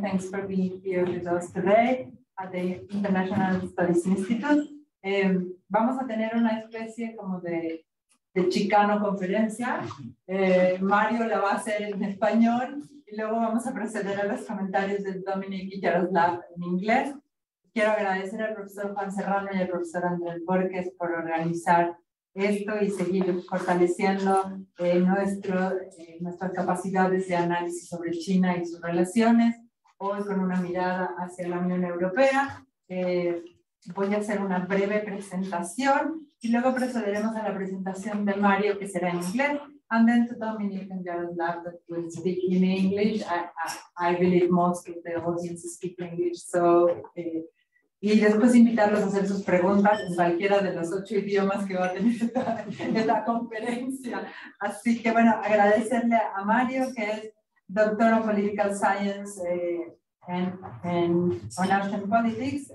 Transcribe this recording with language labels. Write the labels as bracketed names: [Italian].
[English] Thanks for being here with us today at the International Studies Institute. [Spanish] Vamos a tener una especie como de Chicano conferencia. Mario la va a hacer en español. Y luego vamos a proceder a los comentarios de Dominik y Jarosław en inglés. Quiero agradecer al profesor Juan Serrano y al profesor Andrés Borges por organizar esto y seguir fortaleciendo nuestras capacidades de análisis sobre China y sus relaciones, hoy con una mirada hacia la Unión Europea. Voy a hacer una breve presentación y luego procederemos a la presentación de Mario, que será en inglés. [English] And then to Dominik and Jarosław that will speak in English. I believe most of the audience speak English. [Spanish] So, y después invitarlos a hacer sus preguntas en cualquiera de los 8 idiomas que va a tener en la conferencia. Así que bueno, agradecerle a Mario, que es doctor en [English] political science and on arts and politics.